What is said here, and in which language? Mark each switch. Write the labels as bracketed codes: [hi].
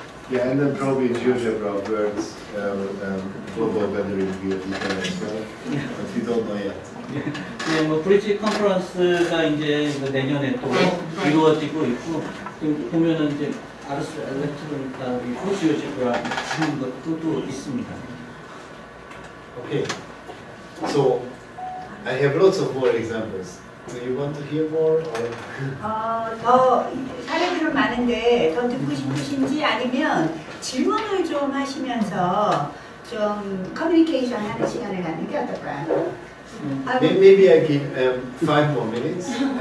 [en] Yeah, and then probably GeoGebra, Bern's Global Weather Review as well. Yeah. But we don't know yet. [ko] 네, 뭐 브릿지 컨퍼런스가 이제 내년에 또 이루어지고 있고 지금 보면은 이제 아르스 엘렉트로니카 지오지브라 하는 것도 또 있습니다. [en] Okay, so I have lots of more examples. Do you want to hear more? [ko] 더 사례들은 많은데 더 듣고 싶으신지 아니면 질문을 좀 하시면서 좀 커뮤니케이션 하는 시간을 갖는 게 어떨까요? [en] Maybe I give 5 more minutes.